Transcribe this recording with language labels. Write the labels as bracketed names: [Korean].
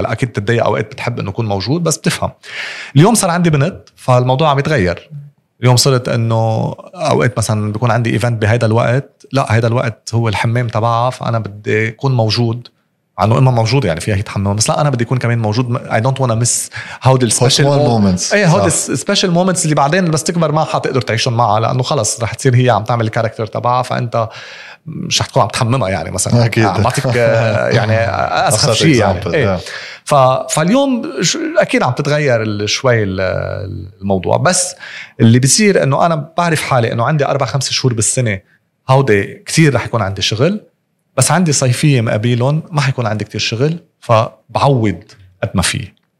[Arabic] هلا اكيد بتضايق اوقات بتحب انه يكون موجود بس بتفهم. اليوم صار عندي بنت فالموضوع عم يتغير. اليوم صرت انه اوقات مثلا بيكون عندي ايفنت بهذا الوقت, لا هذا الوقت هو الحمام تبعها فانا بدي اكون موجود, عنو إما موجود يعني فيها يتحمل, بس لا أنا بدي يكون كمان موجود. [English] I don't wanna miss how the special moments. [Arabic] إيه [English] how the special moments [Arabic] اللي بعدين بس تكبر ما حتقدر تعيشهم معها, لأنه خلاص رح تصير هي عم تعمل الكاركتر تبعها فأنت مش رح تكون عم تحممها يعني مثلا. أكيد. عم بعطيك يعني أسخف شيء يعني. فاليوم أكيد عم تتغير شوي الموضوع, بس اللي بيصير إنه أنا بعرف حالي إنه عندي 4-5 شهور بالسنة هودي كتير رح يكون عندي شغل, بس عندي صيفية مقابلون ما حيكون عندي كتير شغل فبعوض قد ما فيه.